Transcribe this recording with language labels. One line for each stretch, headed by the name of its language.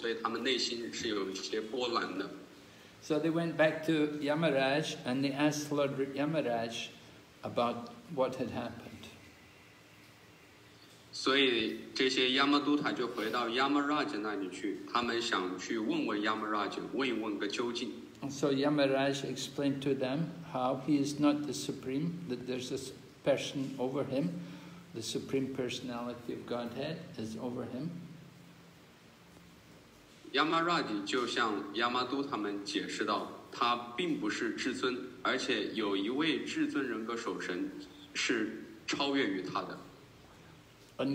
Chinese: 这些亚玛都塔感觉到非常受到打扰，因为他们被维什努都塔给击败了，而且他们以前从来没有这样被打败过，所以他们内心是有一些波澜的。So
English: they went back to Yamaraj and they asked Lord Yamaraj about what had happened.
Chinese: 所以这些亚玛都塔就回到亚玛拉吉那里去，他们想去问问亚玛拉吉，问一问个究竟。
English: And so Yamaraj explained to them how he is not the Supreme, that there's a person over him, the Supreme Personality of Godhead is over him.
Chinese: Yamaraj就像Yamadutaman解释到，他并不是至尊，而且有一位至尊人格守神是超越于他的。And